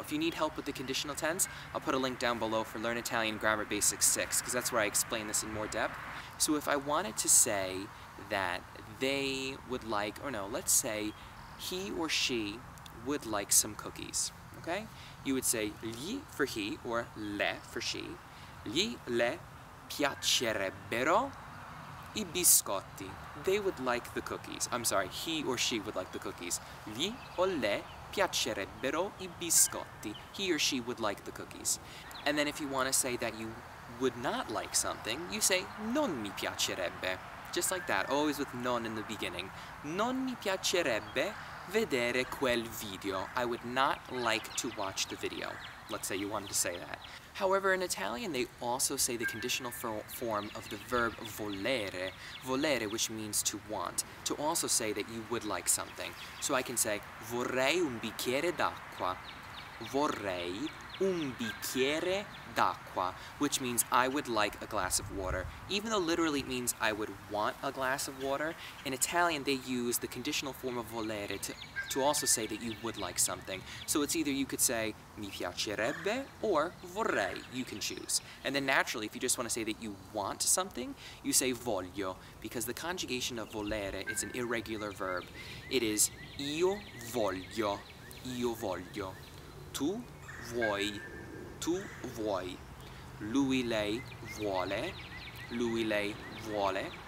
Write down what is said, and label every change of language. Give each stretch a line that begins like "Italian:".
English: If you need help with the conditional tense, I'll put a link down below for Learn Italian Grammar Basics 6, because that's where I explain this in more depth. So if I wanted to say that they would like, or no, let's say he or she would like some cookies, okay? You would say gli for he or le for she.
Italian: Gli le piacerebbero I biscotti.
English: They would like the cookies. I'm sorry, he or she would like the cookies.
Italian: Gli o le piacerebbero I biscotti.
English: He or she would like the cookies. And then if you want to say that you would not like something, you say
Italian: non mi piacerebbe.
English: Just like that, always with non in the beginning.
Italian: Non mi piacerebbe vedere quel video.
English: I would not like to watch the video. Let's say you wanted to say that. However, in Italian, they also say the conditional form of the verb volere. Volere, which means to want. To also say that you would like something. So I can say,
Italian: vorrei un bicchiere d'acqua. Vorrei un bicchiere d'acqua,
English: which means I would like a glass of water. Even though literally it means I would want a glass of water, in Italian they use the conditional form of volere to also say that you would like something. So it's either you could say
Italian: mi piacerebbe
English: or
Italian: vorrei,
English: you can choose. And then naturally, if you just want to say that you want something, you say voglio, because the conjugation of volere is an irregular verb. It is
Italian: io voglio, io voglio. Tu vuoi, tu vuoi. Lui lei vuole, lui lei vuole.